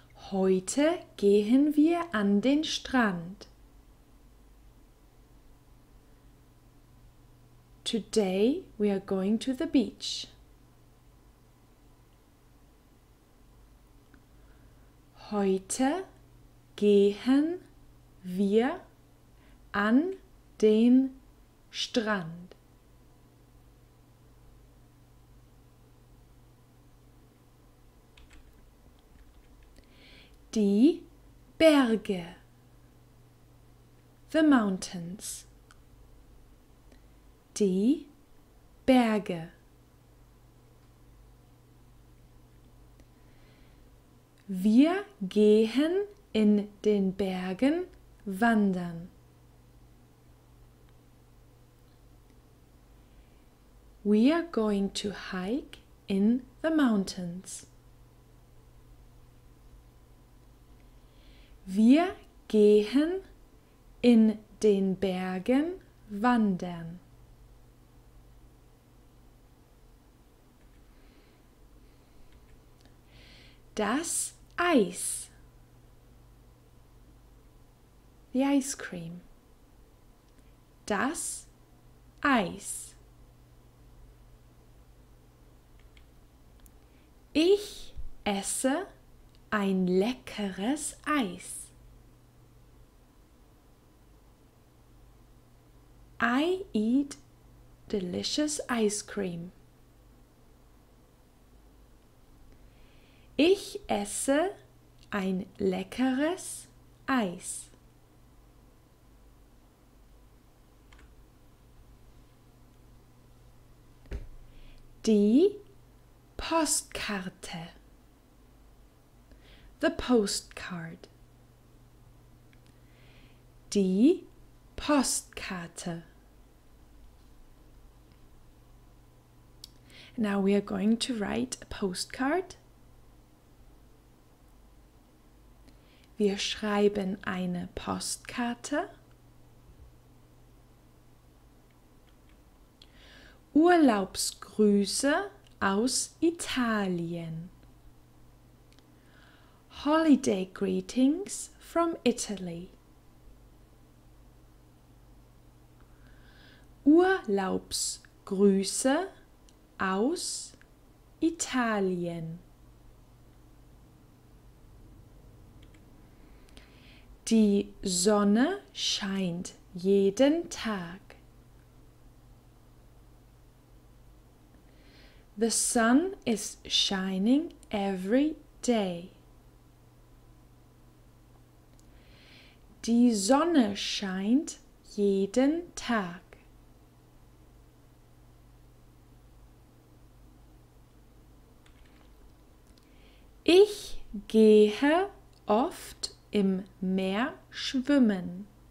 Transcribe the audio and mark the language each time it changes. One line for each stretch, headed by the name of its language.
German: Heute gehen wir an den Strand.
English: Today we are going to the beach.
German: Heute gehen wir an den Strand. Die Berge.
English: The mountains.
German: Die Berge. Wir gehen in den Bergen wandern.
English: We are going to hike in the mountains.
German: Wir gehen in den Bergen wandern. Das Eis.
English: The ice cream.
German: Das Eis. Ich esse ein leckeres Eis.
English: I eat delicious ice cream.
German: Ich esse ein leckeres Eis. Die Postkarte.
English: The postcard.
German: Die Postkarte.
English: Now we are going to write a postcard.
German: Wir schreiben eine Postkarte. Urlaubsgrüße aus Italien.
English: Holiday greetings from Italy.
German: Urlaubsgrüße aus Italien. Die Sonne scheint jeden Tag.
English: The sun is shining every day.
German: Die Sonne scheint jeden Tag. Ich gehe oft im Meer schwimmen.